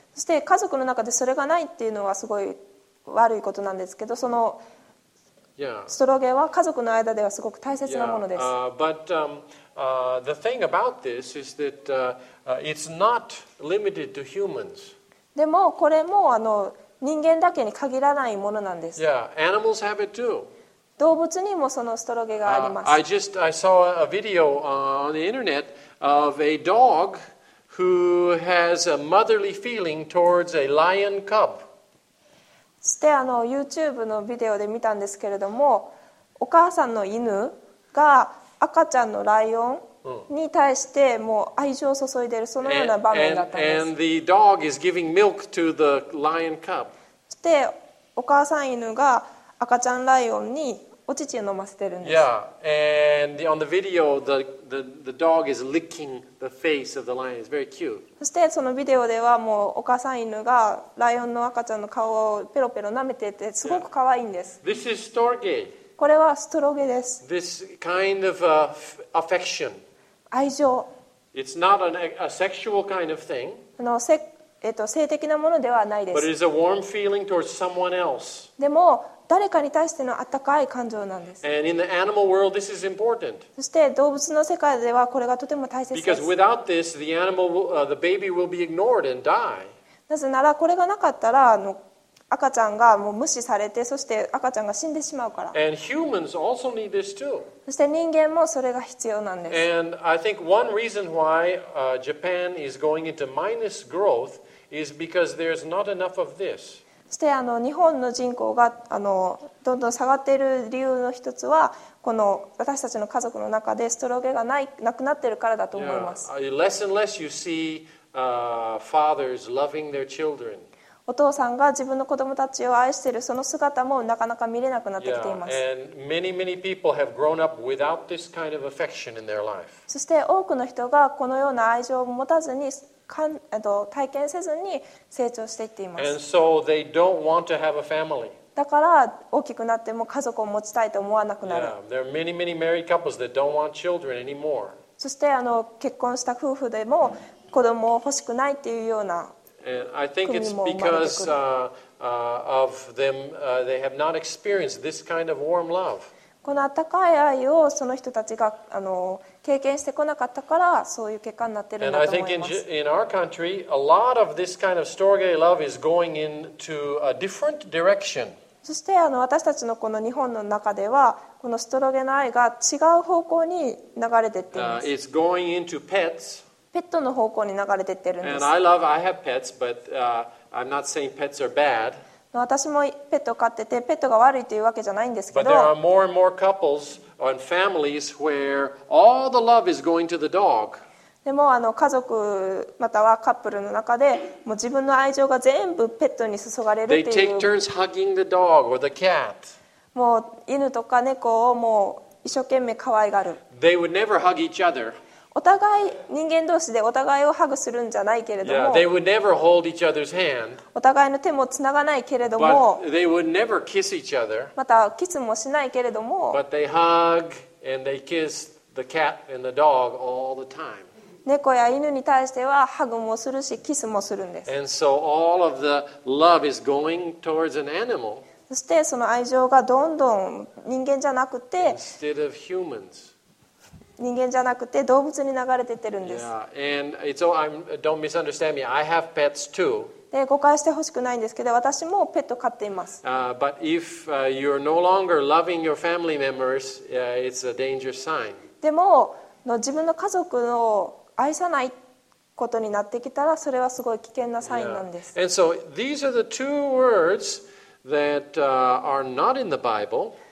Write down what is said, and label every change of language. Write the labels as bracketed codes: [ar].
[ja] そして家族の中でそれがないっていうのはすごい悪いことなんですけど、そのストロゲは家族の間ではすごく大切なものです。 [en] Yeah. But the thing about this is that it's not limited to humans. [ja] でもこれもあの人間だけに限らないものなんです。 [en] Yeah, animals have it too. [ja] 動物にもそのストロゲがあります。 [en] I saw a video on the internet of a dog who has a motherly feeling towards a lion cub. [ja] そしてあの YouTube のビデオで見たんですけれども、お母さんの犬が赤ちゃんのライオンに対してもう愛情を注いでいるそのような場面だったんです。 [en] And the dog is giving milk to the lion cub. [ja] そしてお母さん犬が赤ちゃんライオンにお乳を飲ませてるんです。 [en] Yeah, and on the video, the dog is licking the face of the lion. It's very cute. [ja] そしてそのビデオではもうお母さん犬がライオンの赤ちゃんの顔をペロペロ舐めててすごく可愛いんです。 [en] Yeah. This is storge. [ja] これはストロゲです。 [en] This kind of affection. [ja] 愛情。 [en] It's not a sexual kind of thing. [ja] あの性的なものではないです。 [en] But it is a warm feeling towards someone else. [ja] でも誰かに対しての温かい感情なんです。 [en] And in the animal world, this is important. [ja] そして動物の世界ではこれがとても大切です。 [en] Because without this, the animal, the baby will be ignored and die. [ja] なぜならこれがなかったらあの赤ちゃんがもう無視されてそして赤ちゃんが死んでしまうから。 [en] And humans also need this too. [ja] そして人間もそれが必要なんです。 [en] And I think one reason why Japan is going into minus growth is because there's not enough of this. [ja] そしてあの日本の人口があのどんどん下がっている理由の一つはこの私たちの家族の中でストロゲがないなくなっているからだと思います。 [en] Yeah. Less and less you see, fathers loving their children. [ja] お父さんが自分の子供たちを愛しているその姿もなかなか見れなくなってきています。 [en] Yeah. And many, many people have grown up without this kind of affection in their life. [ja] そして多くの人がこのような愛情を持たずに体験せずに成長していっています。 [en] And so they don't want to have a family. [ja] だから大きくなっても家族を持ちたいと思わなくなる。 [en] Yeah, there are many, many married couples that don't want children anymore. [ja] そして結婚した夫婦でも子供を欲しくないっていうような国も生まれてくる。 [en] And I think it's because of them, they have not experienced this kind of warm love. [ja] この温かい愛をその人たちが経験してこなかったからそういう結果になっているんだと思います。 [en] In our country, a lot of this kind of storge love is going into a different direction. [ja] そして私たちのこの日本の中ではこのストロゲの愛が違う方向に流れていっています。 [en] It's going into pets. [ja] ペットの方向に流れていってるんです。 [en] And I have pets, but I'm not saying pets are bad. [ja] 私もペットを飼ってて、ペットが悪いというわけじゃないんですけど、 [en] But there are more and more couples and families where all the love is going to the dog. [ja] でも家族またはカップルの中で、もう自分の愛情が全部ペットに注がれるという。 [en] They take turns hugging the dog or the cat. [ja] もう犬とか猫をもう一生懸命可愛がる。 [en] They would never hug each other. [ja] お互い人間同士でお互いをハグするんじゃないけれども、 [en] yeah, they would never hold each other's hand, [ja] お互いの手もつながないけれども [en] but they would never kiss each other, [ja] またキスもしないけれども [en] but they hug and they kiss the cat and the dog all the time. [ja] 猫や犬に対してはハグもするしキスもするんです。 [en] And so all of the love is going towards an animal, [ja] そしてその愛情がどんどん人間じゃなくて [en] instead of humans. [ja] 人間じゃなくて動物に流れてってるんです。 [en] Yeah. And it's all, don't misunderstand me. I have pets too. [ja] で、誤解してほしくないんですけど、私もペット飼っています。 [en] But if you're no longer loving your family members, it's a dangerous sign. [ja] でも、自分の家族を愛さないことになってきたら、それはすごい危険なサインなんです。 [en] Yeah. And so these are the two words that are not in the Bible.